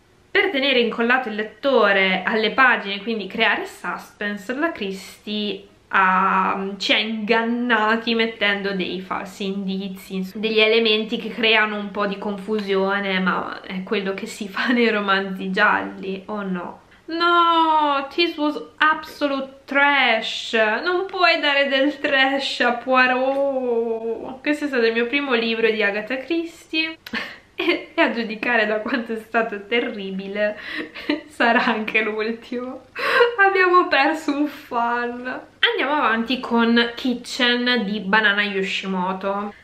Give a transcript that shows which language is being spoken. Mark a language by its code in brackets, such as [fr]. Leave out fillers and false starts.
[it] Per tenere incollato il lettore alle pagine, quindi creare suspense, la Christie ci ha ingannati mettendo dei falsi indizi, degli elementi che creano un po' di confusione, ma è quello che si fa nei romanzi gialli, o no? [en] No, this was absolute trash. [it] Non puoi dare del trash a Poirot. Questo è stato il mio primo libro di Agatha Christie. E a giudicare da quanto è stato terribile, sarà anche l'ultimo. Abbiamo perso un fan. Andiamo avanti con Kitchen di Banana Yoshimoto.